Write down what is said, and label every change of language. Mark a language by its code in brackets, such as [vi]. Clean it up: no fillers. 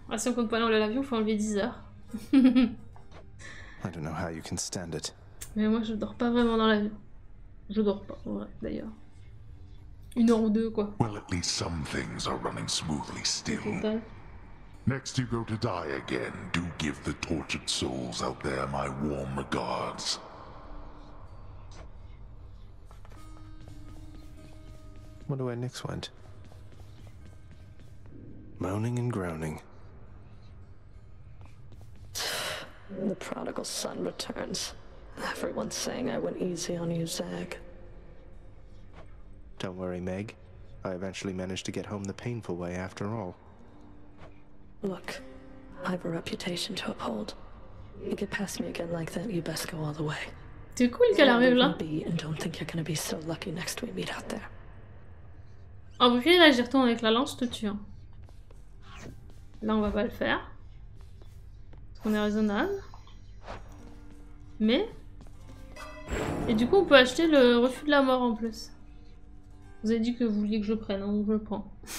[fr] Ah, si on compte pas dans l'avion, faut enlever 10 heures. [en] I don't know how you can stand it. [fr] Mais moi, je dors pas vraiment dans l'avion. Je dors pas, ouais, d'ailleurs. Une heure ou deux, quoi. [en] Well, at least some things are running smoothly still. Next you go to die again, do give the tortured souls out there my warm regards. Wonder where Nyx went. Moaning and groaning. The prodigal son returns. Everyone's saying I went easy on you, Zag. Don't worry, Meg. I eventually managed to get home the painful way after all. Look, I've a reputation to uphold. You get past me again like that, you best go all the way. [fr] Du coup, il y a la rue là. [en] And don't think you're gonna be so lucky next we meet out there. [fr] En vrai, là, j'y retourne avec la lance, tout de suite. Là, on va pas le faire. Parce qu'on est raisonnable. Mais... Et du coup, on peut acheter le refus de la mort en plus. Vous avez dit que vous vouliez que je le prenne, donc je le prends.